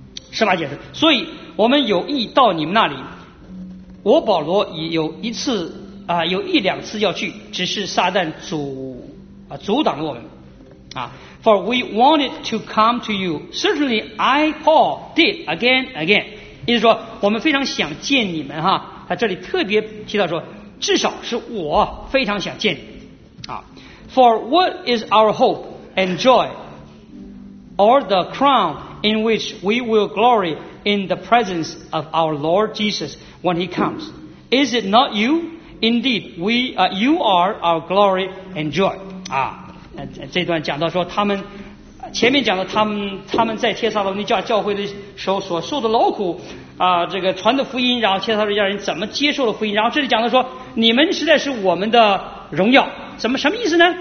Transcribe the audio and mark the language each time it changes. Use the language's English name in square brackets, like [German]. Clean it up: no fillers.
[Chinese] 十八节，所以我们有意到你们那里。我保罗也有一次啊，有一两次要去，只是撒旦阻挡了我们啊。 [English] For we wanted to come to you， certainly I Paul did again again， [Chinese] 意思说我们非常想见你们哈。他这里特别提到说，至少是我非常想见你啊。 [English] For what is our hope and joy, or the crown in which we will glory in the presence of our Lord Jesus when He comes? Is it not you? Indeed, you are our glory and joy. [Chinese] 啊，这段讲到说他们前面讲到他们在帖撒罗尼迦教会的时候所受的劳苦啊，这个传的福音，然后帖撒罗尼迦人怎么接受了福音，然后这里讲到说你们实在是我们的荣耀。怎么什么意思呢？